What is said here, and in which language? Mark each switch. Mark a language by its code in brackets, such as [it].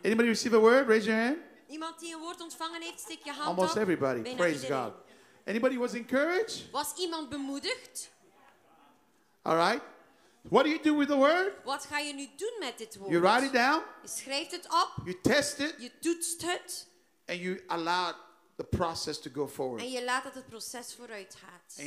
[en] Anybody receive a word? Raise your hand. [nl] Iemand die een woord ontvangen heeft, steek je hand [en] Almost [nl] op. [en] Almost everybody. [nl] Bijna [en] praise [nl] iedereen. [en] God. Anybody was encouraged? [nl] Was iemand bemoedigd? [en] All right. What do you do with the word? [nl] Wat ga je nu doen met dit woord? [en] You write it down. [nl] Je schrijft het op. [en] You test it. [nl] Je toetst het. [en] And you allow the process to go forward. [nl] En je laat dat het proces vooruit gaat.